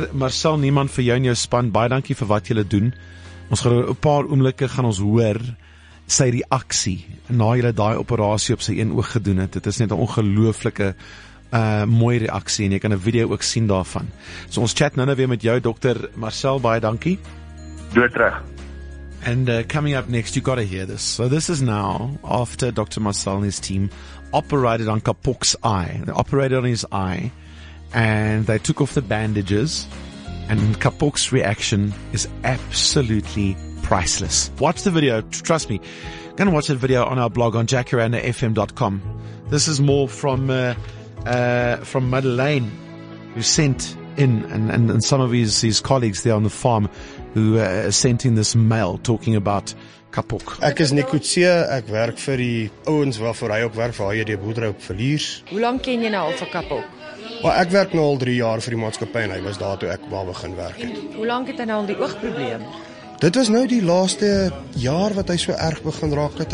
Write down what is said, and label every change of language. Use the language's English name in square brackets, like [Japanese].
[Afrikaans] Marcel Niemann, vir jou en jou span, baie dankie vir wat julle doen. Ons gaan een paar oomblikke gaan ons hoor sy reaksie na julle daai operasie op sy een oog gedoen het. Dit is net 'n ongelooflike mooi reaksie, en jy kan 'n video ook sien daarvan. So ons chat nou weer met jou, dokter Marcel, baie dankie. Doe terug. [English] And coming up next, you got to hear this. So this is now after Dr. Marcel and his team operated on Kapok's eye. They operated on his eye and they took off the bandages, and Kapok's reaction is absolutely priceless. Watch the video. Trust me. Go and watch that video on our blog on jacarandafm.com. This is more from Madeleine, who sent in, and some of his colleagues there on the farm who sent in this mail talking about Kapok. [Afrikaans] Ek is Nikutsia. Ek werk vir die ouens waarvoor hy ook werk, vir hy die boerdery op verliers. Hoe lang ken jy nou al van Kapok? Maar ek werk nou al 3 jaar vir die maatskappy en hy was daar toe ek wou begin werk het. En hoe lank het hy nou al die oogprobleem? Dit was nou die laaste jaar wat hy so erg begin raak het.